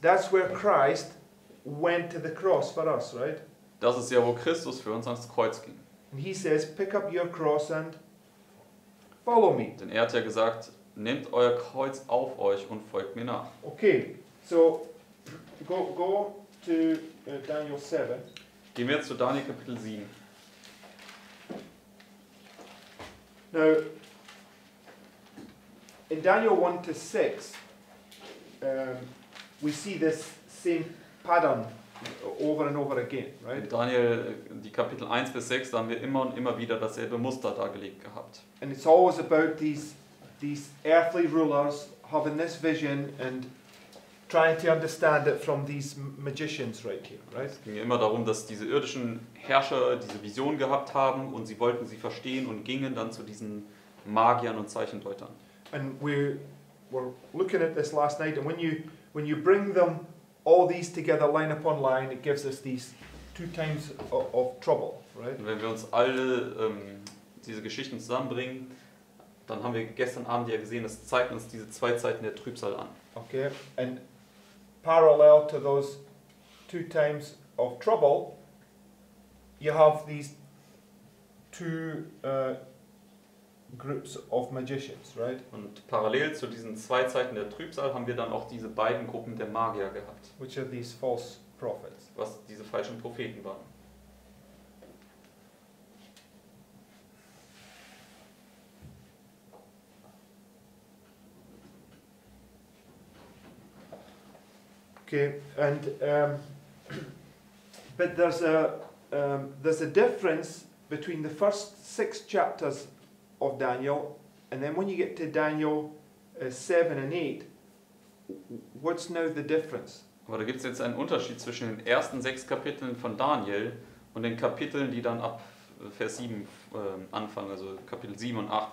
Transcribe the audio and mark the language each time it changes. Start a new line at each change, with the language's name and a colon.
English: That's where Christ went to the cross for us, right?
German: Das ist ja, wo Christus für uns ans Kreuz ging.
English: And he says, pick up your cross and follow me.
German: Denn er hat ja gesagt, nehmt euer Kreuz auf euch und folgt mir nach.
English: Okay, so go to Daniel 7.
German: Gehen wir jetzt zu Daniel Kapitel 7.
English: Now, in Daniel 1-6, we see this same pattern over and over again, right?
German: Daniel, die Kapitel 1 bis 6, da haben wir immer und immer wieder dasselbe Muster dargelegt gehabt.
English: And it's always about these earthly rulers having this vision and trying to understand it from these magicians right here, right?
German: Es ging immer darum, dass diese irdischen Herrscher diese Vision gehabt haben und sie wollten sie verstehen und gingen dann zu diesen Magiern und Zeichendeutern.
English: And we were looking at this last night, and when you bring them all these together, line upon line, it gives us these two times of trouble, right?
German: Wenn wir uns alle diese Geschichten zusammenbringen, dann haben wir gestern Abend ja gesehen, es zeigt uns diese zwei Zeiten der Trübsal an.
English: Okay, and parallel to those two times of trouble, you have these two groups of magicians, right?
German: Und parallel zu diesen zwei Zeiten der Trübsal haben wir dann auch diese beiden Gruppen der Magier gehabt.
English: Which are these false prophets?
German: Was diese falschen Propheten waren.
English: Okay, and but there's a difference between the first six chapters of Daniel, and then when you get to Daniel 7 and 8, what's now the difference?
German: Aber da gibt es jetzt einen Unterschied zwischen den ersten sechs Kapiteln von Daniel und den Kapiteln, die dann ab Vers 7 anfangen, also Kapitel 7 und 8.